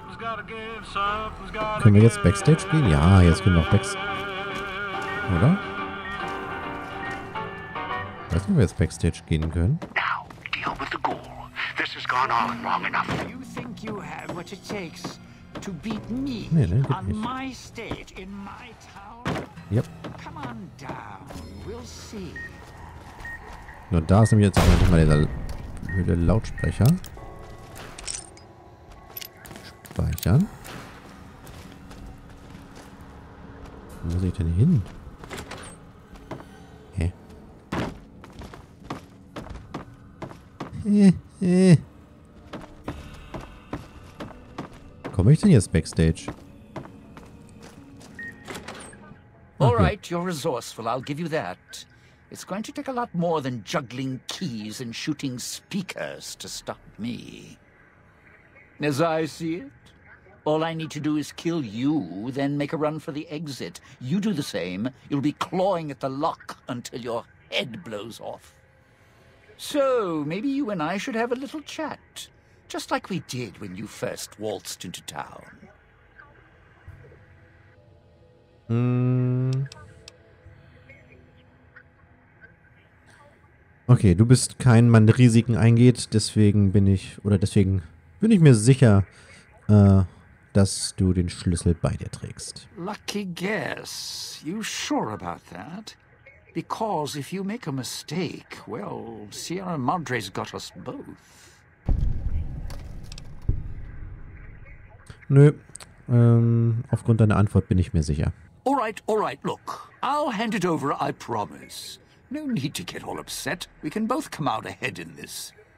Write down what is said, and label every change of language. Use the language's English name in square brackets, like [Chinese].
[German] Können wir jetzt Backstage spielen? Ja, jetzt können wir auch Backstage. Oder? Ich weiß nicht, ob wir jetzt Backstage gehen können. [English] Now, deal with the ghoul. This has gone on long enough. You think you have what it takes to beat me on my stage in my town? Yep. Come on down, we'll see. [German] Nur da ist nämlich jetzt auch nochmal dieser blöde Lautsprecher. Speichern. Wo muss ich denn hin? Hä? Hä? komme ich denn jetzt backstage? [English] All right, you're resourceful. I'll give you that. It's going to take a lot more than juggling keys and shooting speakers to stop me. As I see it, all I need to do is kill you, then make a run for the exit. You do the same, you'll be clawing at the lock until your head blows off. So, maybe you and I should have a little chat. Just like we did when you first waltzed into town. [German] Okay, du bist kein Mann, der Risiken eingeht, deswegen bin ich mir sicher, dass du den Schlüssel bei dir trägst. [English] Lucky guess. You sure about that? Because if you make a mistake, well, Sierra Madre's got us both. [German] Nö, aufgrund deiner Antwort bin ich mir sicher. [English] All right, look. I'll hand it over, I promise. No need to get all upset. We can both come out ahead in this.